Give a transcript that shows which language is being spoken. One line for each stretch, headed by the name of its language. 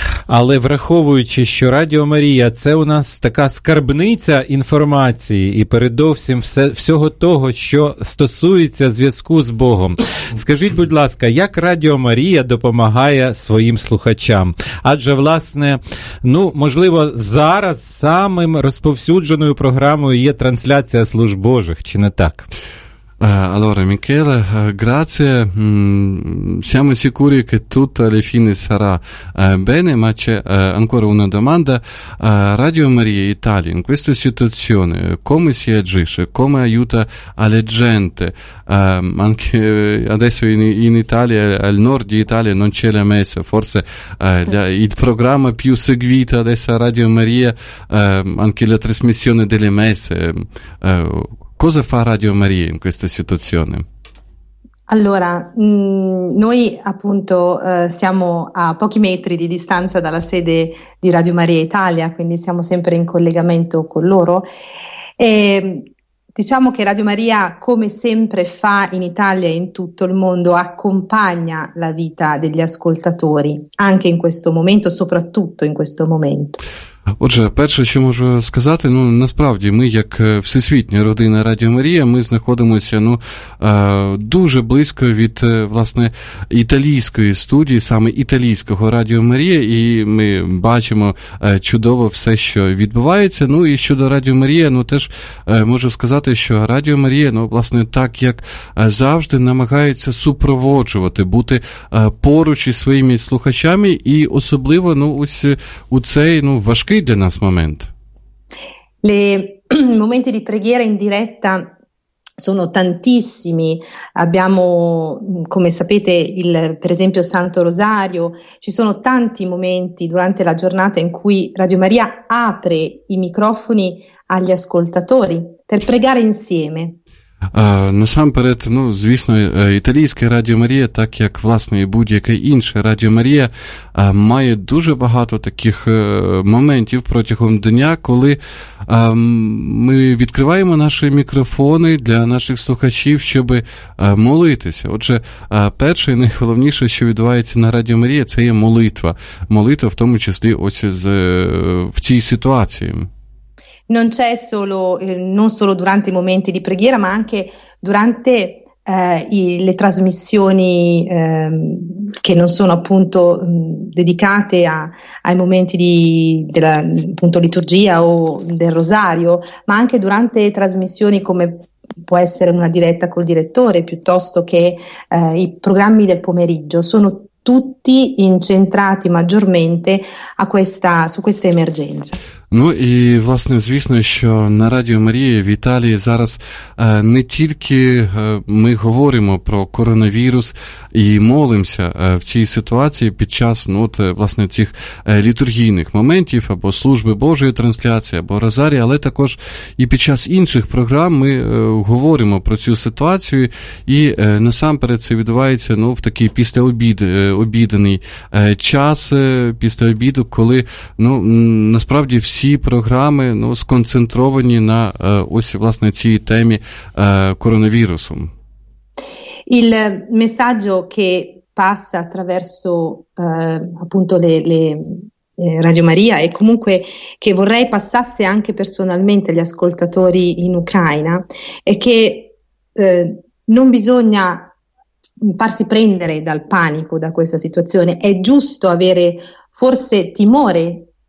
Ukrainian: Але враховуючи, що Радіо Марія – це у нас така скарбниця інформації і передовсім всього того, що стосується зв'язку з Богом. Скажіть, будь ласка, як Радіо Марія допомагає своїм слухачам? Адже, власне, ну, можливо, зараз самим розповсюдженою програмою є трансляція служб Божих, чи не так?
Italian: Allora, Michele, grazie. Siamo sicuri che tutto alla fine sarà bene, ma c'è ancora una domanda. Radio Maria Italia, in questa situazione, come si agisce? Come aiuta la gente? Anche adesso in Italia, al nord Italia, non c'è la messa. Forse il programma più seguito adesso a Radio Maria, anche la trasmissione delle messe. Cosa fa Radio Maria in questa situazione? Allora, noi appunto siamo a pochi metri di distanza dalla sede di Radio Maria Italia, quindi siamo sempre in collegamento con loro. E diciamo che Radio Maria, come sempre fa in Italia e in tutto il mondo, accompagna la vita degli ascoltatori, anche in questo momento, soprattutto in questo momento.
Ukrainian: Отже, перше, що можу сказати, ну, насправді, ми як всесвітня родина Радіо Марія, ми знаходимося, ну, дуже близько від, власне, італійської студії, саме італійського Радіо Марія, і ми бачимо чудово все, що відбувається. Ну, і щодо Радіо Марія, ну, теж можу сказати, що Радіо Марія, ну, власне, так, як завжди, намагається супроводжувати, бути поруч із своїми слухачами, і особливо, ну, ось у цей, ну, важкий для нас момент.
Italian: momenti di preghiera in diretta sono tantissimi. Abbiamo, come sapete, per esempio Santo Rosario. Ci sono tanti momenti durante la giornata in cui Radio Maria apre i microfoni agli ascoltatori per pregare insieme.
Ukrainian: Насамперед, ну, звісно, італійське Радіо Марія, так як, власне, і будь-яке інше Радіо Марія, має дуже багато таких моментів протягом дня, коли ми відкриваємо наші мікрофони для наших слухачів, щоб молитися. Отже, перше і найголовніше, що відбувається на Радіо Марія, це є молитва. Молитва, в тому числі, ось в цій ситуації.
Italian: Non c'è solo, non solo durante i momenti di preghiera, ma anche durante le trasmissioni che non sono appunto dedicate ai momenti della appunto liturgia o del rosario, ma anche durante trasmissioni come può essere una diretta col direttore, piuttosto che i programmi del pomeriggio, sono tutti incentrati maggiormente su questa emergenza.
Ukrainian: Ну і, власне, звісно, що на Радіо Марії в Італії зараз не тільки ми говоримо про коронавірус і молимося в цій ситуації під час, ну, от, власне, цих літургійних моментів або служби Божої трансляції, або розарії, але також і під час інших програм ми говоримо про цю ситуацію і насамперед це відбувається, ну, в такий обіденний час після обіду, коли, ну, насправді всі ці програми, ну, сконцентровані на ось власне цій темі коронавірусу.
Italian: Il messaggio che passa attraverso appunto Radio Maria e comunque che vorrei passasse anche personalmente agli ascoltatori in Ucraina è che non bisogna farsi prendere dal panico da questa situazione, è giusto avere forse timore.